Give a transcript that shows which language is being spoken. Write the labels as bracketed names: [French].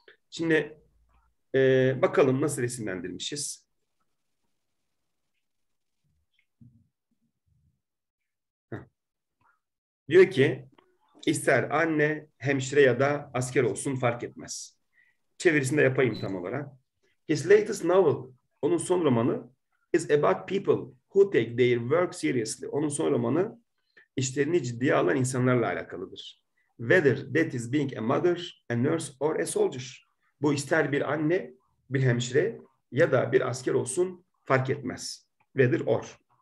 [Turkish] Şimdi bakalım nasıl resimlendirmişiz. Diyor ki ister anne, hemşire ya da asker olsun fark etmez. Çevirisini de yapayım tam olarak. [English] His latest novel, [Turkish] onun son romanı, [English] is about people who take their work seriously. [Turkish] Onun son romanı işlerini ciddiye alan insanlarla alakalıdır. [English] Whether that is being a mother, a nurse or a soldier. [Turkish] Bu ister bir anne, bir hemşire ya da bir asker olsun fark etmez. [English] Whether or.